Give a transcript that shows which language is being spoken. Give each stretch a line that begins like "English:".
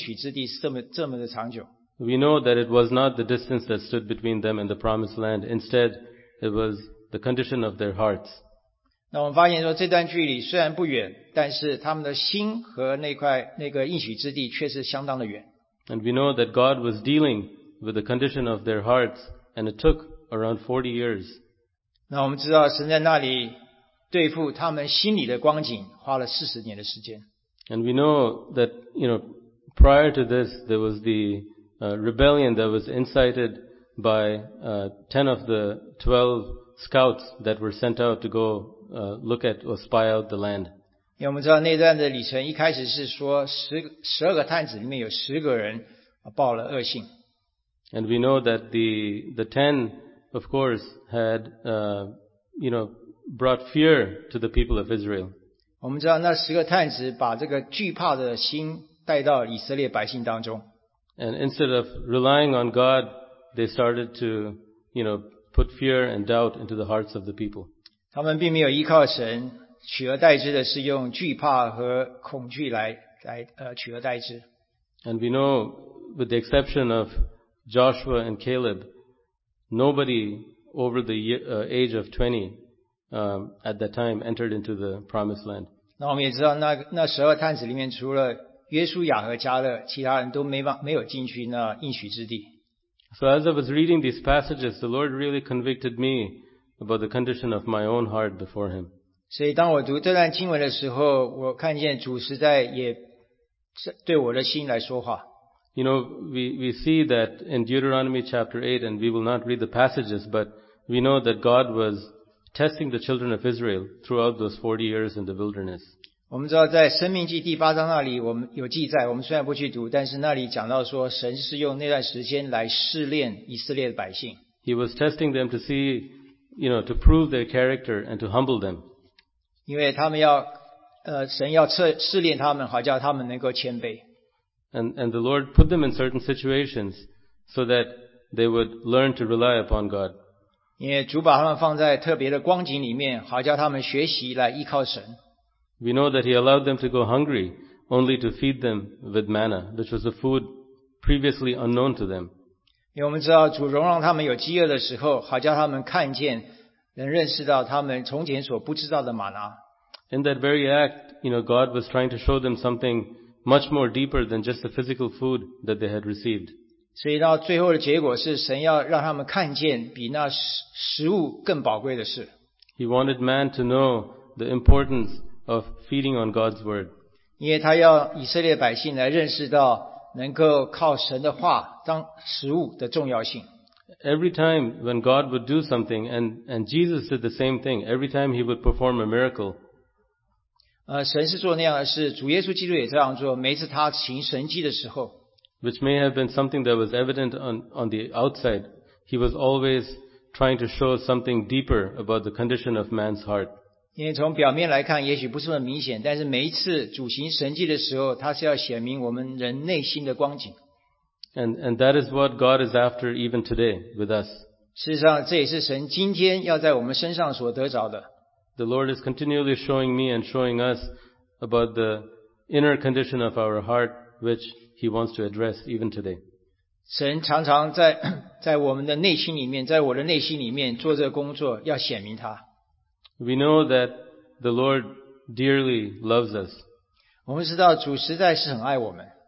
Chinese: 所以我们看见说，这他们从他们到这个应许之地是这么的长久。
English: We know that it was not the distance that stood between them and the Promised Land. Instead, it was the condition of their hearts.
Chinese: 那我们发现说，这段距离虽然不远，但是他们的心和那块那个应许之地却是相当的远。
English: And we know that God was dealing with the condition of their hearts, and it took around 40 years.
Chinese: 那我们知道神在那里对付他们心里的光景花了40年的时间。
English: And we know that, you know, prior to this, there was the rebellion that was incited by 10 of the 12 scouts that were sent out to go look at or spy out the land.
Chinese: 因为我们知道那段的旅程一开始是说12个探子里面有10个人报了恶信。
English: And we know that the 10, of course, had, you know, brought fear to the people of Israel.
Chinese: 我们知道那十个探子把这个惧怕的心带到以色列百姓当中。
English: And instead of relying on God, they started to, you know, put fear and doubt into the hearts of the people.
Chinese: 他们并没有依靠神，取而代之的是用惧怕和恐惧来取而代之。
English: And we know, with the exception of Joshua and Caleb, nobody over the age of 20 at that time entered into the promised land.
Chinese: 那我们也知道那十二探子里面除了约书亚和加勒，其他人都没有进去那应许之地。
English: So as I was reading these passages, the Lord really convicted me about the condition of my own heart before Him.
Chinese: 所以当我读这段经文的时候，我看见主实在也对我的心来说话。
English: You know, we see that in Deuteronomy chapter 8, and we will not read the passages, but we know that God was testing the children of Israel throughout those 40 years in the wilderness.
Chinese: 我们知道在生命记第八章那里我们有记载，我们虽然不去读，但是那里讲到说神是用那段时间来试炼以色列的百姓。
English: He was testing them to see, you know, to prove their character and to humble them.
Chinese: 因为他们要神要试炼他们，好叫他们能够谦卑。
English: And the Lord put them in certain situations so that they would learn to rely upon God.
Chinese: 因为主把他们放在特别的光景里面，好叫他们学习来依靠神。
English: We know that He allowed them to go hungry only to feed them with manna, which was a food previously unknown to them.
Chinese: 因为我们知道主容让他们有饥饿的时候，好叫他们看见，能认识到他们从前所不知道的玛拿。
English: In that very act, you know, God was trying to show them something much more deeper than just the physical food that they had received.
Chinese: 所以到最后的结果是神要让他们看见比那食物更宝贵的事。
English: He wanted man to know the importance of feeding on God's word.
Chinese: 因为他要以色列百姓来认识到能够靠神的话当食物的重要性。
English: Every time when God would do something, and Jesus did the same thing, every time he would perform a miracle,
Chinese: 神是做那样的事，主耶稣基督也这样做。每次他行神迹的时候
English: ，which may have been something that was evident on the outside, he was always trying to show something deeper about the condition of man's heart.
Chinese: 因为从表面来看，也许不是很明显，但是每一次主行神迹的时候，他是要显明我们人内心的光景。
English: And that is what God is after even today with us.
Chinese: 事实上，这也是神今天要在我们身上所得着的。
English: The Lord is continually showing me and showing us about the inner condition of our heart, which He wants to address even today.
Chinese: 神常常在我们的内心里面，在我的内心里面做这个工作，要显明他。
English: We know that the Lord dearly loves us.
Chinese: 我们知道主实在是很爱我们。